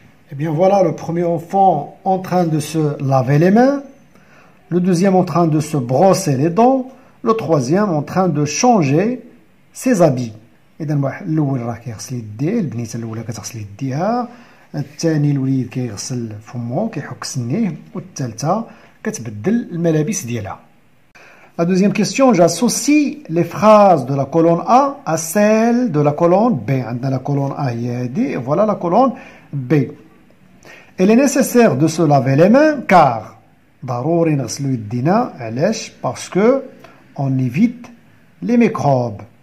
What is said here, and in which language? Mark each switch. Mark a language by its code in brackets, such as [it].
[fr] Eh bien, voilà le premier enfant en train de se laver les mains. Le deuxième en train de se brosser les dents. Le troisième en train de changer ses habits. [ar] إذا واحد الأول راه كيغسل يديه، البنيته الأولى كتغسل يديها، الثاني الوليد كيغسل فمو كيحك سنيه، والثالثة كتبدل الملابس ديالها. [fr] La deuxième question, j'associe les phrases de la colonne A à celles de la colonne B. [ar] عندنا [fr] la colonne A [ar] هي هذه، [fr] voilà la colonne B. Il est nécessaire de se laver les mains car [ar] ضروري نغسلوا يدينا، علاش؟ [fr] Parce que on évite les microbes.